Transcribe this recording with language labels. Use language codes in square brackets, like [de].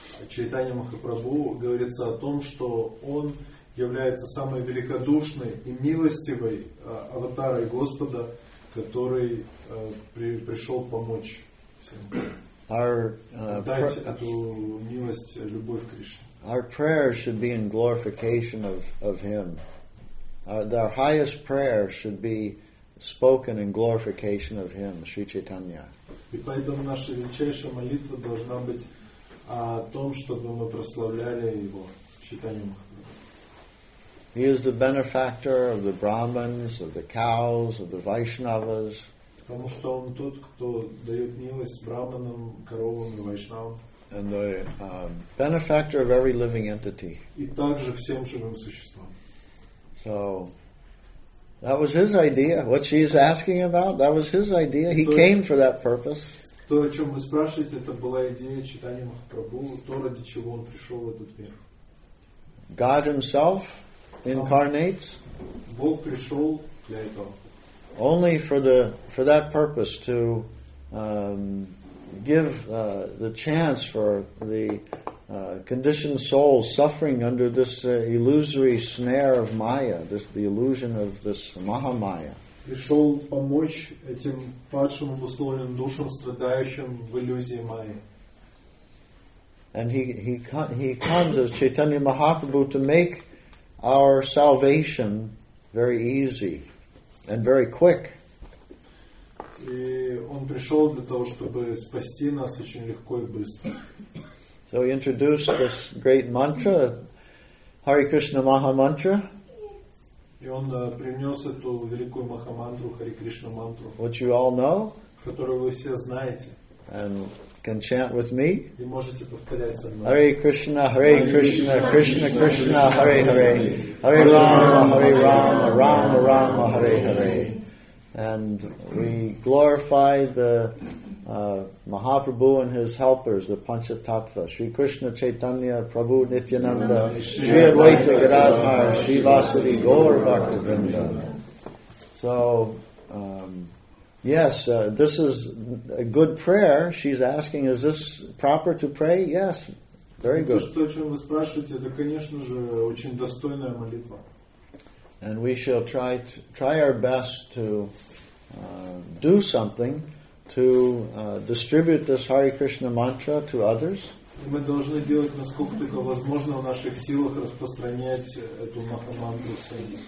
[ru] Чайтанья Махапрабху говорится о том, что он является самой великодушной и милостивой аватарой Господа, который пришел помочь всем. Дать эту милость, любовь к Кришне. [en] Our prayer should be in glorification of Him. Our highest prayer should be spoken in glorification of Him, Sri Chaitanya. [ru] И поэтому наша величайшая молитва должна быть о том, чтобы мы прославляли его читанием. [en] He is the benefactor of the Brahmins, of the cows, of the Vaishnavas. [ru] Потому что он тот, кто дает милость браманам, коровам и вайшнавам. [en] And the benefactor of every living entity. [ru] И также всем живым существам. [en] So that was his idea. What she is asking about, that was his idea. He came for that purpose. [ru] То, о чем вы спрашиваете, это была идея читания Махапрабху, то, ради чего он пришел в этот мир. [en] God himself incarnates. [ru] Бог пришел для этого. [en] Only for that purpose, to give the chance for the conditioned souls suffering under this illusory snare of Maya, the illusion of this Mahamaya. [ru] Пришел помочь этим падшим обусловленным душам, страдающим в иллюзии Майи. [en] And he comes as Chaitanya Mahaprabhu to make our salvation very easy and very quick. [ru] И он пришел для того, чтобы спасти нас очень легко и быстро. [en] So he introduced this great mantra, Hare Krishna Maha Mantra. [ru] И он принес эту великую Махамантру, Хари Кришна мантру, [en] which you all know, [ru] которую вы все знаете, [en] and can chant with me. [ru] И можете повторять со мной. [sa] Hare Krishna, Hare Krishna, Krishna Krishna, Hare Hare, Hare Rama, Hare Rama, Rama Rama, Hare Hare. [en] And we glorify the Mahaprabhu and his helpers, the Panchatattva, Sri Krishna Chaitanya, Prabhu Nityananda, Sri Advaita Gadadhar, Sri Vasudhi Gaur Bhaktivinoda. So, this is a good prayer. She's asking, is this proper to pray? Yes, very good. [ru] То, о чем вы спрашиваете, это, конечно же, очень достойная молитва. [en] And we shall try our best to do something to distribute this Hare Krishna mantra to others. [ru] Мы должны делать, насколько только возможно в наших силах, распространять эту Махамантру всем.